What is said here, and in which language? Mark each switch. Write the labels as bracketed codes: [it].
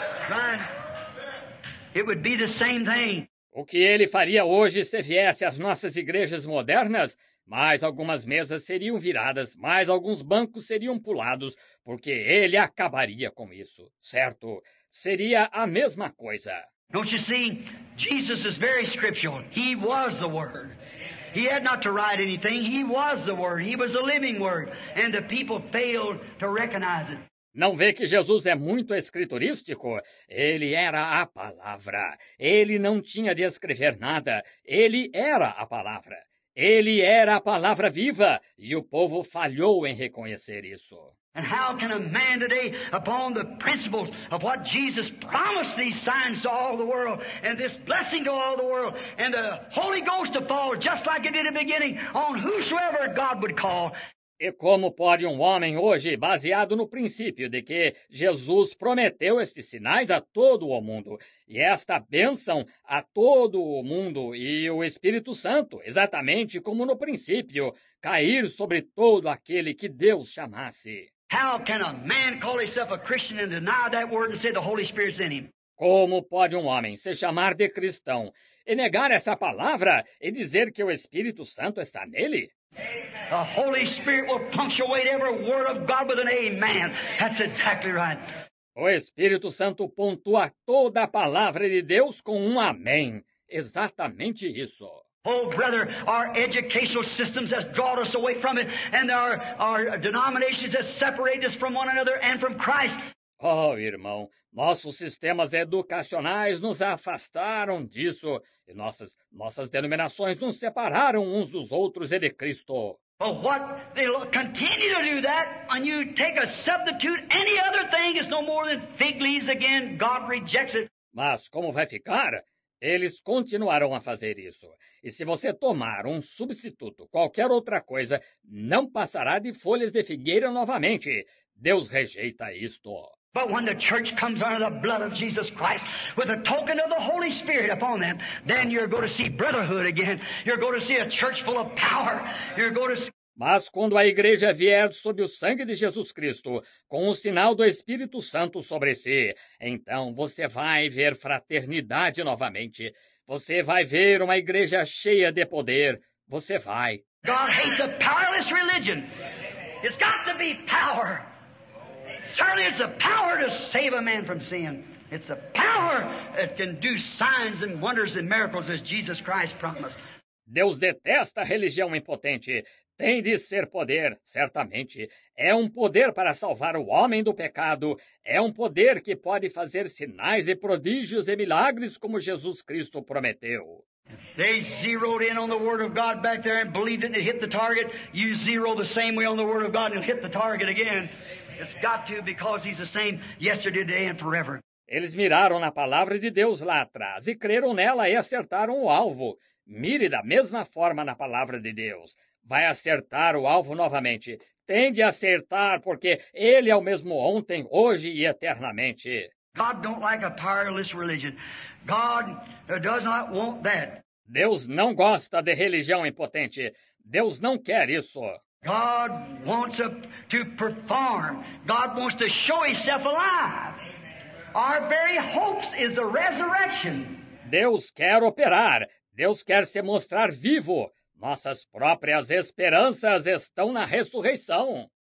[en] Ryan, it would be the same thing. [pt] O que ele faria hoje se viesse às nossas igrejas modernas? Mais algumas mesas seriam viradas, mais alguns bancos seriam pulados, porque ele acabaria com isso, certo? Seria a mesma coisa. [en] Don't you see? Jesus is very scriptural. He was the Word. He had not to write anything. He was the Word. He was the living Word. And the people failed to recognize it. [pt] Não vê que Jesus é muito escriturístico? Ele era a palavra. Ele não tinha de escrever nada. Ele era a palavra. Ele era a palavra viva. E o povo falhou em reconhecer isso. [en] And how can a man today, upon the principles of what Jesus promised these signs to all the world, and this blessing to all the world, and the Holy Ghost to fall, just like it did in the beginning, on whosoever God would call? [pt] E como pode um homem hoje, baseado no princípio de que Jesus prometeu estes sinais a todo o mundo, e esta bênção a todo o mundo e o Espírito Santo, exatamente como no princípio, cair sobre todo aquele que Deus chamasse? [en] How can a man call himself a Christian and deny that word and say the Holy Spirit's in him? [pt] Como pode um homem se chamar de cristão e negar essa palavra e dizer que o Espírito Santo está nele? [en] The Holy Spirit will punctuate every word of God with an amen. That's exactly right. [pt] O Espírito Santo pontua toda a palavra de Deus com um amém. Exatamente isso. [en] Oh, brother, our educational systems have drawn us away from it, and our denominations have separated us from one another and from Christ. [pt] Oh, irmão, nossos sistemas educacionais nos afastaram disso, e nossas denominações nos separaram uns dos outros e de Cristo. [en] But what they continue to do that, and you take a substitute, any other thing is no more than fig leaves again, God rejects it. [pt] Mas como vai ficar? Eles continuarão a fazer isso. E se você tomar um substituto, qualquer outra coisa, não passará de folhas de figueira novamente. Deus rejeita isto. [en] But when the church comes under the blood of Jesus Christ with a token of the Holy Spirit upon them, then you're going to see brotherhood again. You're going to see a church full of power. You're going to see... [pt] Mas quando a igreja vier sob o sangue de Jesus Cristo, com o sinal do Espírito Santo sobre si, então você vai ver fraternidade novamente. Você vai ver uma igreja cheia de poder. Você vai. [en] God hates a powerless religion. It's got to be power. Certainly it's the power to save a man from sin. It's the power that can do signs and wonders and miracles as Jesus Christ promised. [pt] Deus detesta a religião impotente. Tem de ser poder, certamente. É um poder para salvar o homem do pecado. É um poder que pode fazer sinais e prodígios e milagres como Jesus Cristo prometeu. [en] They zeroed in on the Word of God back there and believed it and it hit the target. You zero the same way on the Word of God and it'll hit the target again. It's got to, because he's the same yesterday, today and forever. [pt] Eles miraram na palavra de Deus lá atrás e creram nela e acertaram o alvo. Mire da mesma forma na palavra de Deus. Vai acertar o alvo novamente. Tem de acertar, porque ele é o mesmo ontem, hoje e eternamente. [en] God don't like a powerless religion. God does not want that. [pt] Deus não gosta de religião impotente. Deus não quer isso. [en] God wants to perform. God wants to show himself alive. Our very hopes is the resurrection. [pt] Deus quer operar. Deus quer se mostrar vivo. Nossas próprias esperanças estão na ressurreição.